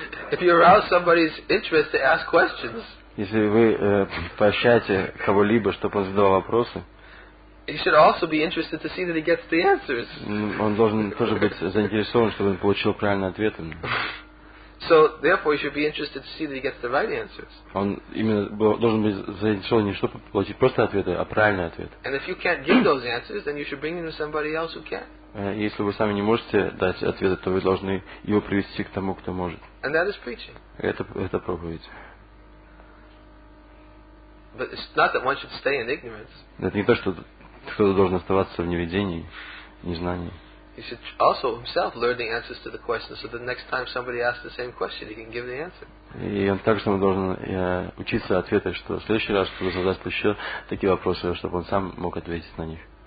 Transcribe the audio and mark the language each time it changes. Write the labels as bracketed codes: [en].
[en] If you arouse somebody's interest to ask questions. [ru] Если вы поощряете кого-либо, чтобы он задавал вопросы. [en] He should also be interested to see that he gets the answers. [ru] Он должен тоже быть заинтересован, чтобы он получил правильные ответы. [en] So therefore, he should be interested to see that he gets the right answers. [ru] Он именно должен быть заинтересован не чтобы получить просто ответы, а правильный ответ. [en] And if you can't give those answers, then you should bring them to somebody else who can. [ru] Если вы сами не можете дать ответы, то вы должны его привести к тому, кто может. [en] And that is preaching. [ru] Это проповедь. [en] But it's not that one should stay in ignorance. [ru] Это не то, что кто-то должен оставаться в неведении, незнании. [en] He should also himself learn the answers to the question, so the next time somebody asks the same question, he can give the answer. [ru] И он также должен учиться ответы, что в следующий раз кто-то задаст еще такие вопросы, чтобы он сам мог ответить на них.